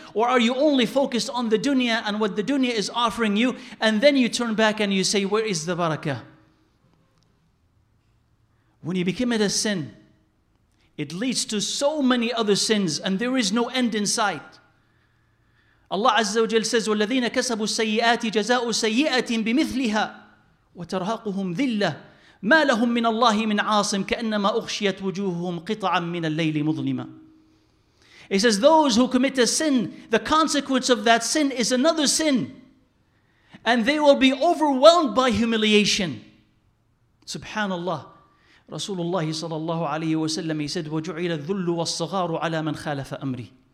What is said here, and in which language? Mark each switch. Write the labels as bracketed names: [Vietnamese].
[English] Or are you only focused on the dunya and what the dunya is offering you? And then you turn back and you say, where is the barakah? When you become it a sin, it leads to so many other sins and there is no end in sight. Allah Azza wa Jal says, [Arabic] وَالَّذِينَ كَسَبُوا السَّيِّئَاتِ جَزَاءُ سَيِّئَةٍ بِمِثْلِهَا وَتَرْهَقُهُمْ ذِلَّةٍ مَا لَهُمْ مِنَ اللَّهِ مِنْ عَاصِمٍ كَأَنَّمَا أُخْشِيَتْ وُجُوهُهُمْ قِطَعًا مِنَ اللَّيْلِ مُظْلِمًا. [English] He says, those who commit a sin, the consequence of that sin is another sin. And they will be overwhelmed by humiliation. Subhanallah. [Arabic] Rasulullah sallallahu alayhi wa sallam, [English] he said, [Arabic] وَجُعِلَ الذُّلُّ وَالصَّغَارُ عَلَى مَنْ خَالَفَ أَمْرِي.